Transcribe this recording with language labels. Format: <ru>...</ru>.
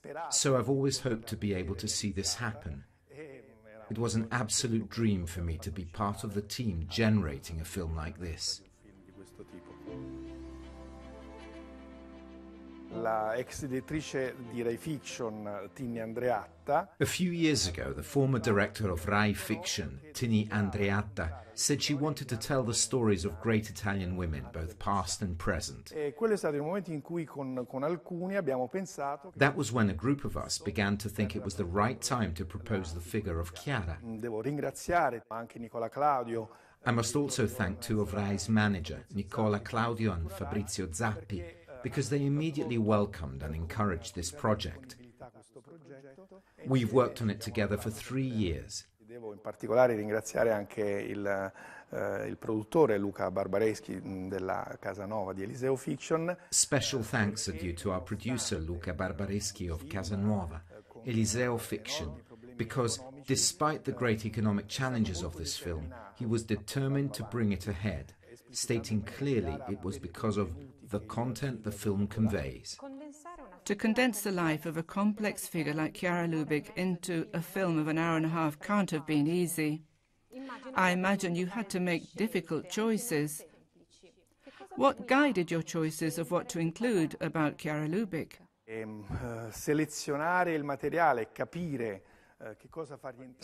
<en>So I've always hoped to be able to see this happen. It was an absolute dream for me to be part of the team generating a film like this.</en> <it>La ex direttrice di Rai Fiction, Tini Andreatta.</it> <en>A few years ago, the former director of Rai Fiction, Tini Andreatta, said she wanted to tell the stories of great Italian women, both past and present. That was when a group of us began to think it was the right time to propose the figure of Chiara.</en> <it>Devo ringraziare anche Nicola Claudio.</it> <en>I must also thank two of Rai's managers, Nicola Claudio and Fabrizio Zappi, because they immediately welcomed and encouraged this project. We've worked on it together for 3 years.</en> <it>Devo in particolare ringraziare anche il produttore Luca Barbareschi della Casanova di Eliseo Fiction.</it> <en>Special thanks are due to our producer Luca Barbareschi of Casanova, Eliseo Fiction, because despite the great economic challenges of this film, he was determined to bring it ahead, stating clearly it was because of the content the film conveys. To condense the life of a complex figure like Chiara Lubich into a film of an hour and a half can't have been easy. I imagine you had to make difficult choices. What guided your choices of what to include about Chiara Lubich?</en> <it>Selezionare il materiale, capire che cosa far rientrare.</it>